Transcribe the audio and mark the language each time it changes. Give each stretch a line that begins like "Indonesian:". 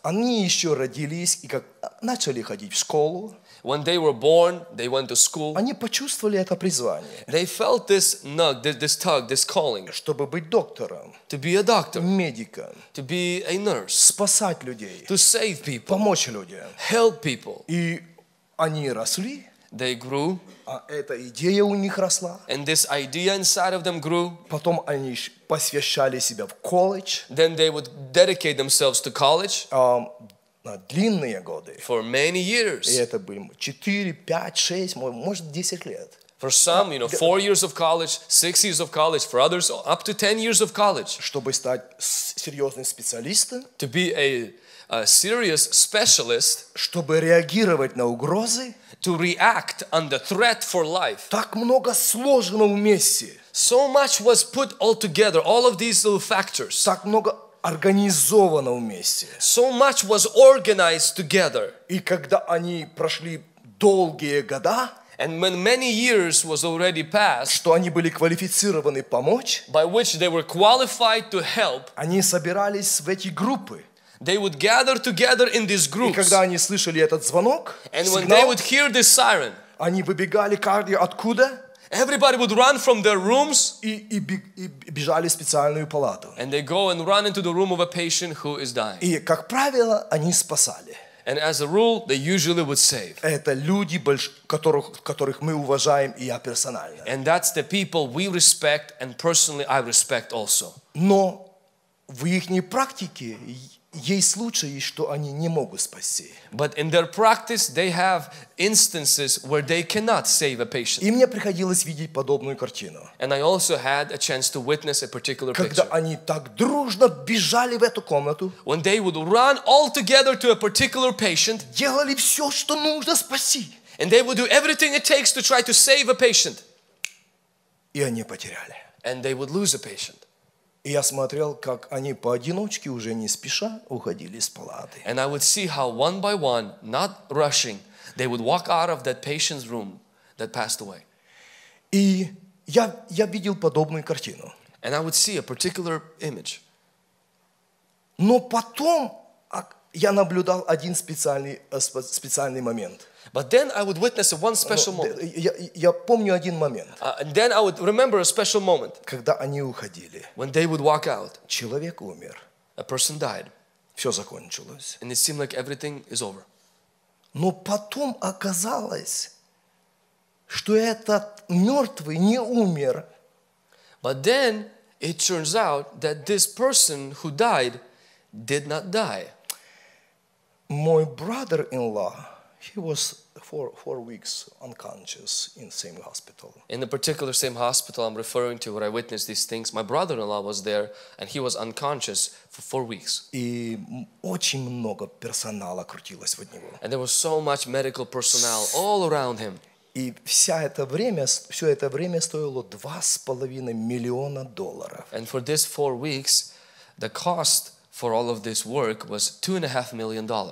Russian: Они еще родились и как начали ходить в школу.
English: When they were born, they went to school.
Russian: Они почувствовали это призвание.
English: They felt this nug, this tug, this calling.
Russian: Чтобы быть доктором.
English: To be a doctor.
Russian: Медиком.
English: To be a nurse.
Russian: Спасать людей.
English: To save people.
Russian: Помочь людям.
English: Help people.
Russian: И они росли.
English: They grew.
Russian: А эта идея у них росла.
English: And this idea inside of them grew.
Russian: Потом они посвящали себя в колледж.
English: Then they would dedicate themselves to college.
Russian: На длинные годы.
English: For many years.
Russian: И это были 4, 5, 6, может 10 лет.
English: For some, you know, 4 years of college, 6 years of college. For others, up to 10 years of college.
Russian: Чтобы стать серьезным специалистом.
English: To be a serious specialist,
Russian: чтобы реагировать на угрозы,
English: to react on the threat for life.
Russian: Так много сложено вместе.
English: So much was put all together, all of these little factors.
Russian: Так много организовано вместе.
English: So much was organized together.
Russian: И когда они прошли долгие года,
English: and when many years was already passed,
Russian: что они были квалифицированы помочь,
English: by which they were qualified to help,
Russian: они собирались в эти группы.
English: They would gather together in these groups.
Russian: И когда они слышали этот звонок,
English: and when
Russian: сигнал,
English: they would hear this siren,
Russian: они выбегали каждый откуда?
English: Everybody would run from their rooms,
Russian: и бежали в специальную палату.
English: And they go and run into the room of a patient who is dying.
Russian: И как правило, они спасали.
English: And as a rule, they usually would save.
Russian: Это люди, которых мы уважаем, и я персонально.
English: And that's the people we respect, and personally I respect also.
Russian: Но в ихней практике есть случаи, что они не могут спасти.
English: But in their practice, they have instances where they cannot save a patient.
Russian: И мне приходилось видеть подобную картину.
English: And I also had a chance to witness a particular
Russian: когда
English: picture.
Russian: Когда они так дружно бежали в эту комнату,
English: when they would run all together to a particular patient,
Russian: делали все, что нужно спасти,
English: and they would do everything it takes to try to save a patient,
Russian: и они потеряли,
English: and they would lose a patient.
Russian: И я смотрел, как они поодиночке уже не спеша уходили из палаты.
English: And I would see how one by one, not rushing, they would walk out of that patient's room that passed away.
Russian: И я видел подобную картину.
English: And I would see a particular image.
Russian: Но потом я наблюдал один специальный момент.
English: But then I would witness one special moment.
Russian: Я помню один момент.
English: And then I would remember a special moment.
Russian: Когда они уходили.
English: When they would walk out.
Russian: Человек умер.
English: A person died.
Russian: Все закончилось.
English: And it seemed like everything is over.
Russian: Но потом оказалось, что этот мертвый не умер.
English: But then it turns out that this person who died did not die. My brother-in-law, he was four weeks unconscious in the same hospital. In the particular same hospital I'm referring to where I witnessed these things, my brother-in-law was there and he was unconscious for 4 weeks.
Russian: И очень много персонала крутилось вокруг него.
English: And there was so much medical personnel all around him.
Russian: И все это время стоило $2.5 million.
English: And for these 4 weeks, the cost for all of this work was $2.5 million.